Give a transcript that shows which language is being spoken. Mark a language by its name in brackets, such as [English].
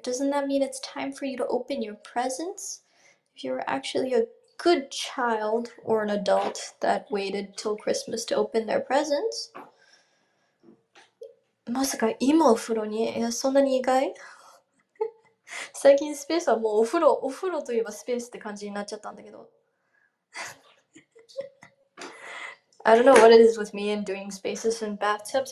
[English] Doesn't that mean it's time for you to open your presents? If you were actually a good child or an adult that waited till Christmas to open their presents. [Japanese] まさか今お風呂に、そんなに意外?最近スペースはもうお風呂といえばスペースって感じになっちゃったんだけど。 [English] I don't know what it is with me and doing spaces and bathtubs.